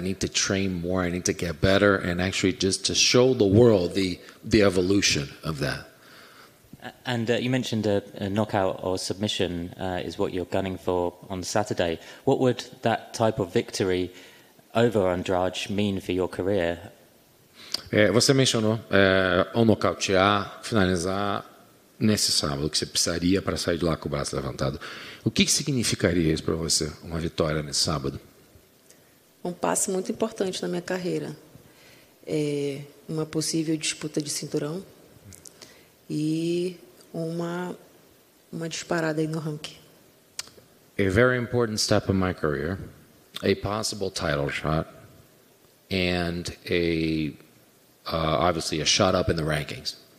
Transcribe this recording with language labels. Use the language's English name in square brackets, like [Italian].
[English] I need to train more, I need to get better and actually just to show the world the evolution of that. And you mentioned a knockout or submission is what you're gunning for on Saturday. What would that type of victory over Andrade mean for your career? [Portuguese] Você mencionou nocautear, finalizar nesse sábado, que você precisaria para sair de lá com o braço levantado. O que significaria isso para você, uma vitória nesse sábado? Um passo muito importante na minha carreira. Uma possível disputa de cinturão e uma disparada aí no ranking. [English] A very important step in my career, a possible title shot and a obviously a shot up in the rankings.